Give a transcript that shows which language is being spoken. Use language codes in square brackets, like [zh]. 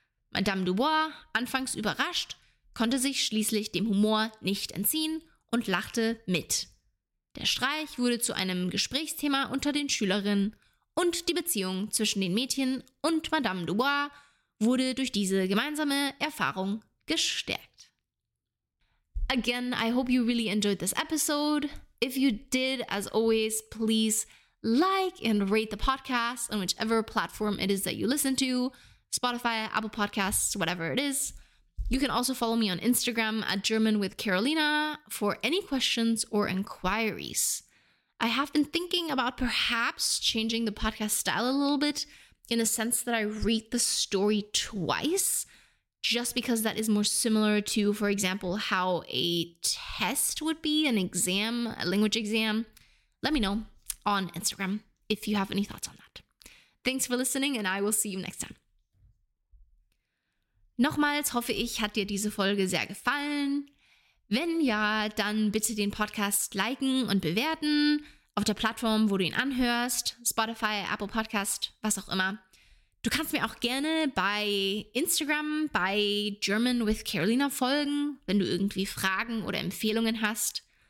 [de] Madame Dubois, anfangs überrascht, konnte sich schließlich dem Humor nicht entziehen und lachte mit. Der Streich wurde zu einem Gesprächsthema unter den Schülerinnen und die Beziehung zwischen den Mädchen und Madame Dubois wurde durch diese gemeinsame Erfahrung gestärkt. [en] Again, I hope you really enjoyed this episode. If you did, as always, please like and rate the podcast on whichever platform it is that you listen to. Spotify, Apple Podcasts, whatever it is. You can also follow me on Instagram at GermanWithCarolina for any questions or inquiries. I have been thinking about perhaps changing the podcast style a little bit in the sense that I read the story twice, just because that is more similar to, for example, how a test would be, an exam, a language exam. Let me know on Instagram if you have any thoughts on that. Thanks for listening and I will see you next time. [de] Nochmals hoffe ich, hat dir diese Folge sehr gefallen. Wenn ja, dann bitte den Podcast liken und bewerten auf der Plattform, wo du ihn anhörst, Spotify, Apple Podcast, was auch immer. Du kannst mir auch gerne bei Instagram, bei German with Carolina folgen, wenn du irgendwie Fragen oder Empfehlungen hast.